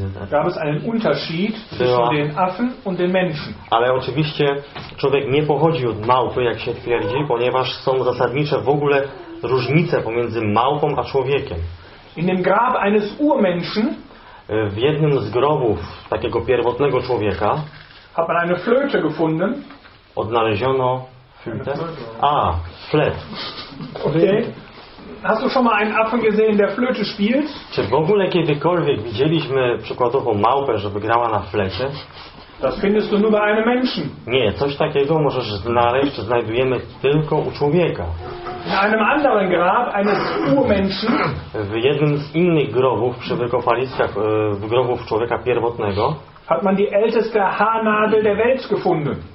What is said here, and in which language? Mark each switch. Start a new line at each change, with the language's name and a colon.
German: gab es einen Unterschied zwischen den Affen und den Menschen.
Polish: Ale oczywiście człowiek nie pochodzi od małpy, jak się twierdzi, ponieważ są zasadnicze w ogóle różnice pomiędzy małpą a człowiekiem.
German: In dem Grab eines Urmenschen
Polish: w jednym z grobów takiego pierwotnego człowieka
German: hat man eine Flöte gefunden.
Polish: Odnaleziono flötę. Flet. Okay.
German: Hast du schon mal einen Affen gesehen, der Flöte spielt?
Polish: Czy w ogóle kiedykolwiek widzieliśmy przykładowo małpę, żeby grała na flecie?
German: Das findest du nur bei einem Menschen.
Polish: Nie, coś takiego możesz znaleźć, czy znajdujemy tylko u człowieka.
German: In einem anderen Grab eines Urmenschen.
Polish: W jednym z innych grobów przy wykopaliskach grobów człowieka pierwotnego
German: hat man die älteste Haarnadel der Welt gefunden.